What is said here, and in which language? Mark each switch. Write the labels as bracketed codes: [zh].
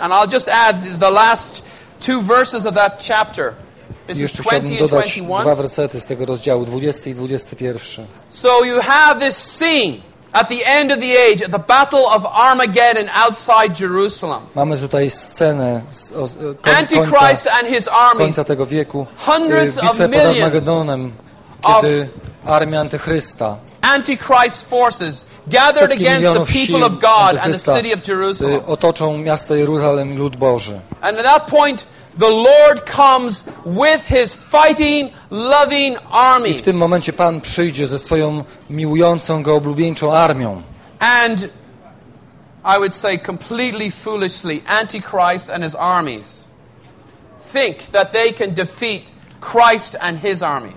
[en] And I'll just add the last two verses of that chapter. [pl] I jeszcze chciałbym dodać dwa wersety z tego rozdziału, 20 i 21. [en] So you have this scene at the end of the age, at the battle of Armageddon outside Jerusalem. [pl] Mamy tutaj scenę z [en] Antichrist and his armies, [pl] końca tego wieku, [en] hundreds of millions, [pl] kiedy armia Antychrysta, [en] Antichrist forces gathered against the people of God and the city of Jerusalem. [pl] Otoczą miasto Jeruzalem i lud Boży. [en] And at that point, the Lord comes with his fighting, loving army. [pl] I w tym momencie Pan przyjdzie ze swoją miłującą go oblubieńczą armią. [en] And I would say completely foolishly, Antichrist and his armies think that they can defeat Christ and his armies.